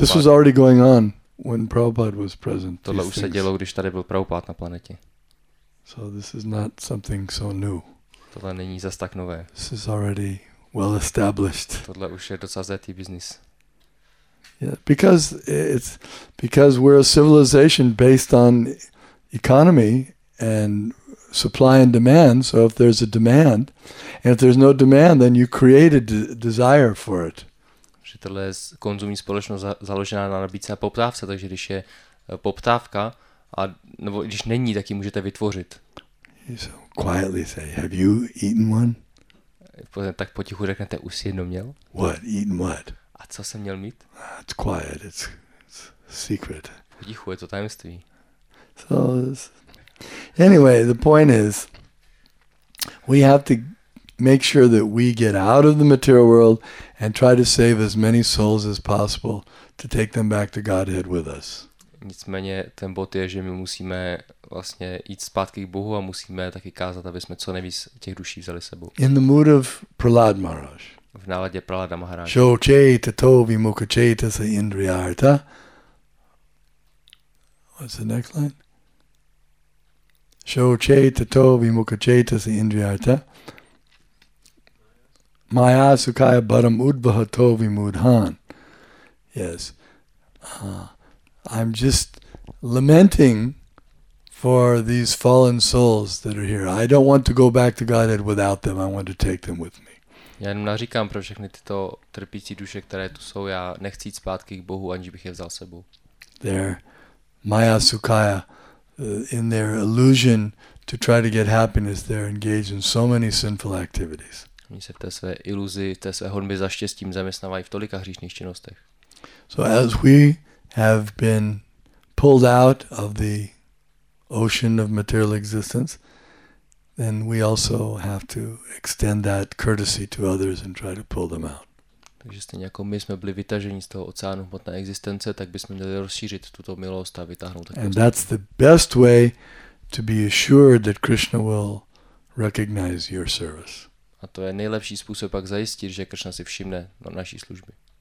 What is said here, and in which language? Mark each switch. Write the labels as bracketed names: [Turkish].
[English] This was already going on when Prabhupada was present. [Czech] Tohle už se dělo, když tady byl Prabhupada na planetě. [English] So this is not something so new. [Czech] Tohle není zas tak nové. [English] This is already well established. [Czech] Tohle už je docela zajetý business. [English] Yeah, because it's because we're a civilization based on economy and supply and demand. So if there's a demand, and if there's no demand, then you create a desire for it. [Czech] Že tohle je konzumní společnost založená na nabídce a poptávce, takže když je poptávka, a nebo když není, tak ji můžete vytvořit. [English] So quietly say, have you eaten one? [Czech] Tak potichu řeknete, už jsi jedno měl? [English] What, eaten what? [Czech] A co jsem měl mít? [English] It's quiet, it's secret. [Czech] Potichu, je to tajemství. [English] So, anyway, the point is, we have to make sure that we get out of the material world and try to save as many souls as possible to take them back to Godhead with us. [Czech] Nicméně ten bod je, že my musíme vlastně jít zpátky k Bohu a musíme taky kázat, aby jsme co nejvíc těch duší vzali sebou. [English] In the mood of Prahlad Maharaj. [Czech] V náladě Prahlada Maharaj. [Sanskrit] Show chaita to vimukha chaita sa indriyarta. [English] What's the next line? [Sanskrit] Show chaita to vimukha chaita sa indriyarta. Maya sukaya baram udbaha to vimudhan. [English] Yes. I'm just lamenting for these fallen souls that are here. I don't want to go back to Godhead without them. I want to take them with me. [Czech] Já jenom naříkám pro všechny tyto trpící duše, které tu jsou. Já nechci jít zpátky k Bohu, aniž bych je vzal sebou. [English] They're maya sukaya. In their illusion to try to get happiness, they're engaged in so many sinful activities. [Czech] Oni se v té své iluzi, v té své honbě za štěstím zaměstnávají v tolika hříšných činnostech. [English] So as we have been pulled out of the ocean of material existence, then we also have to extend that courtesy to others and try to pull them out. [Czech] Takže stejně jako my jsme byli vytaženi z toho oceánu hmotné existence, tak bychom měli rozšířit tuto milost a vytáhnout. [English] And that's the best way to be assured that Krishna will recognize your service. A to je nejlepší způsob, jak zajistit, že Krishna si všimne na naší služby.